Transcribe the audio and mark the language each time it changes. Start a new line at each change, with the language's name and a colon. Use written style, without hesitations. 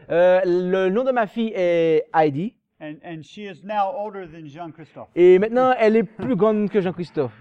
French: Le nom de ma fille est Heidi.
English: And she is now older than Jean-Christophe.
French: Et maintenant, elle est plus grande que Jean-Christophe.